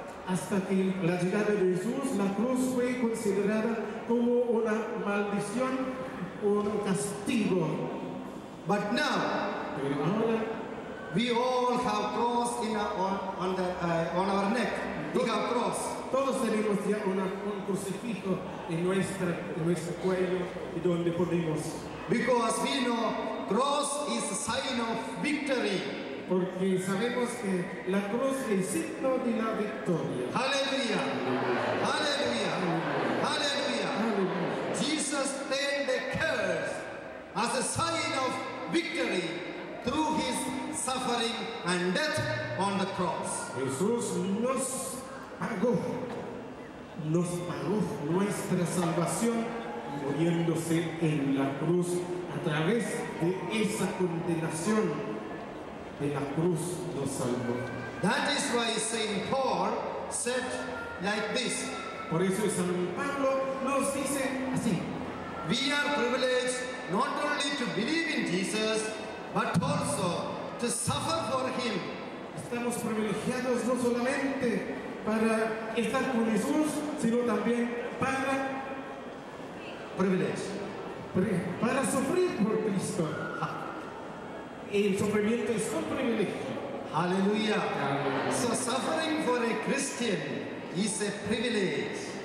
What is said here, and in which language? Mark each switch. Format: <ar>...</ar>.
<es>Hasta que la llegada de Jesús, la cruz fue considerada como una maldición o un castigo.</es> <en>But now,</en> <es>ahora,</es> <en>we all have cross in on our neck. We have cross.</en> <es>Todos tenemos ya un crucifijo en nuestro cuello y donde podemos.</es> <en>Because we know cross is a sign of victory.</en> <es>Porque sabemos que la cruz es el signo de la victoria.</es> <en>Hallelujah. Hallelujah. Hallelujah. Jesus paid the curse as a sign of victory through his suffering and death on the cross.</en> <es>Jesús nos pagó. Nos pagó nuestra salvación muriéndose en la cruz a través de esa condenación de la cruz nos salvó.</es> <en>That is why Saint Paul said like this.</en> <es>Por eso San Pablo nos dice así.</es> <en>We are privileged not only to believe in Jesus but also to suffer for him.</en> <es>Estamos privilegiados no solamente para estar con Jesús, sino también para privilegio, para sufrir por Cristo. El sufrimiento es un privilegio.</es> <en>Aleluya. So suffering for a Christian is a privilege.</en>